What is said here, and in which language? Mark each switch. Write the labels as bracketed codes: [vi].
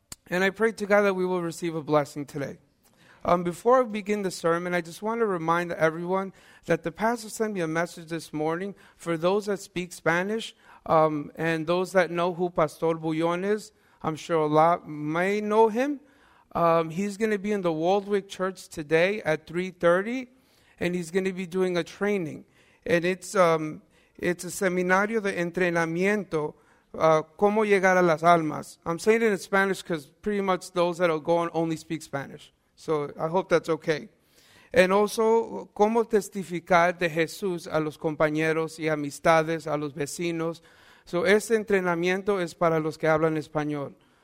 [en] And I pray to God that we will receive a blessing today. Before I begin the sermon, I just want to remind everyone that the pastor sent me a message this morning for those that speak Spanish and those that know who Pastor Bullon is. I'm sure a lot may know him. He's going to be in the Waldwick Church today at 3:30, and he's going to be doing a training. And it's a [es] seminario de entrenamiento, ¿Cómo llegar a las almas? [en] I'm saying it in Spanish because pretty much those that will go on only speak Spanish. So I hope that's okay. And also, [es] ¿cómo testificar de Jesús a los compañeros y amistades, a los vecinos? [en] So [es] ese entrenamiento es para los que hablan español.